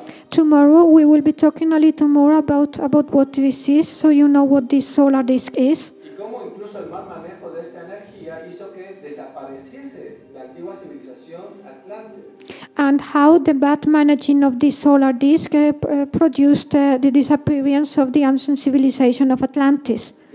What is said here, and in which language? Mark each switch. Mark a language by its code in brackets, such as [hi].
[en] Tomorrow we will be talking a little more about what this is, so you know what this solar disk is. [es] Y cómo incluso el mal manejo de esta energía hizo que desapareciese la antigua civilización [en] And how the bad managing of the solar disk produced the disappearance of the ancient civilization of Atlantis.